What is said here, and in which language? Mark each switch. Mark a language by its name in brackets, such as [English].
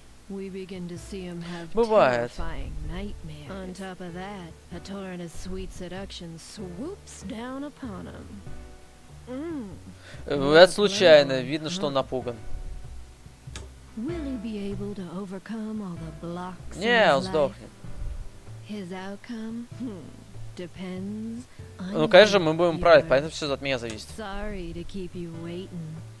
[English] We begin to see him have terrifying nightmares. On top of that, a torrent of sweet seduction swoops down upon him. [Russian] Это случайно, видно, что он напуган. [English] Will he be able to overcome all the blocks? [Russian] Не, он сдохнет. [English] His outcome depends on. [Russian] Ну, конечно, мы будем править, поэтому все от меня зависит. [English] Sorry to keep you waiting.